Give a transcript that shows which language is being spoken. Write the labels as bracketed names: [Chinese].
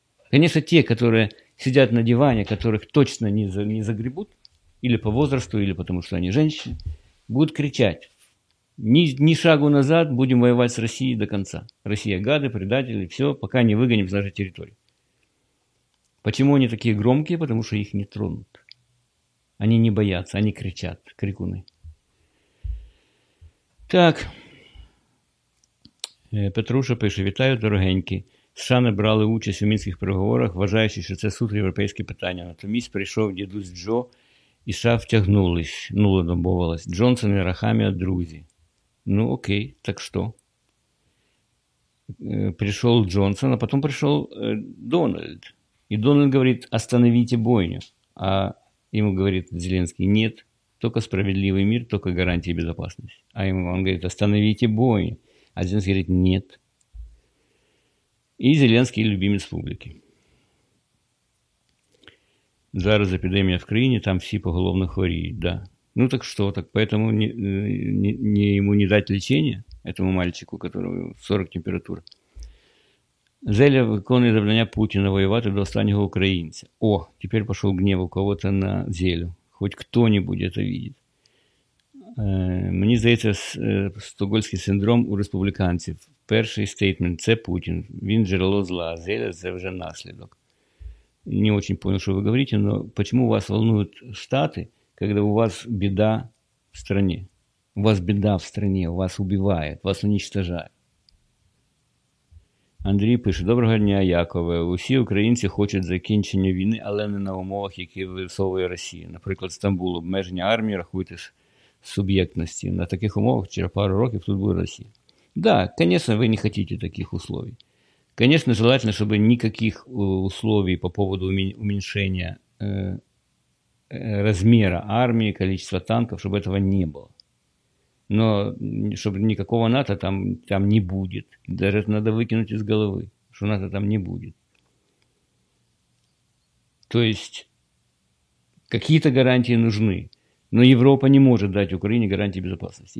[Russian] Конечно, те, которые сидят на диване, которых точно не загребут, или по возрасту, или потому что они женщины, будут кричать, ни шагу назад, будем воевать с Россией до конца. Россия гады, предатели, все, пока не выгоним с нашей территории. Почему они такие громкие? Потому что их не тронут. Они не боятся, они кричат, крикуны. Так. [Ukrainian] Петруша пише, вітаю, дорогенькі. США не брали участь у мінських переговорах, вважаючи, що це суто європейське питання. Натомість прийшов дідусь Джо, і США втягнулись, ну, домовилась. Джонсон і Рахамія – друзі. Ну, окей, так що? Прийшов Джонсон, а потім прийшов Дональд. І Дональд говорить, остановіть бойню. А йому говорить Зеленський, ні, тільки справедливий мир, тільки гарантії безпечності. А йому він говорить, остановіть бойню. [Russian] А Зеленский говорит, нет. И Зеленский любимец публики. Зараз эпидемия в Крыне, там все поголовно хворіють, да. Ну так что, так поэтому не ему не дать лечение, этому мальчику, которому 40 температур. [Ukrainian] Зеля виконує завдання Путіна воювати до останнього українця. [Russian] О, теперь пошел гнев у кого-то на Зелю. Хоть кто-нибудь это видит. [Ukrainian] Мені здається, стокгольмський синдром у республіканців. Перший стейтмент – це Путін. Він джерело зла, а Зеля – це вже наслідок. [Russian] не очень понял, что вы говорите, но почему вас волнуют Штаты, когда у вас беда в стране? У вас беда в стране, вас убивают, вас уничтожают. [Ukrainian] Андрій пише: «Доброго дня, Якове. Усі українці хочуть закінчення війни, але не на умовах, які висовує Росія. Наприклад, Стамбул, обмеження армії, рахуйте суб'єктності. На таких умовах через пару років тут буде Росія». Да, звісно, ви не хочете таких условий. Звісно, желательно, щоб ніяких условий [Russian] по поводу [Ukrainian] уменьшення розміру армії, кількості танків, щоб цього не було. [Russian] Но чтобы никакого НАТО там не будет. Даже это надо выкинуть из головы, что НАТО там не будет. То есть какие-то гарантии нужны. Но Европа не может дать Украине гарантии безопасности.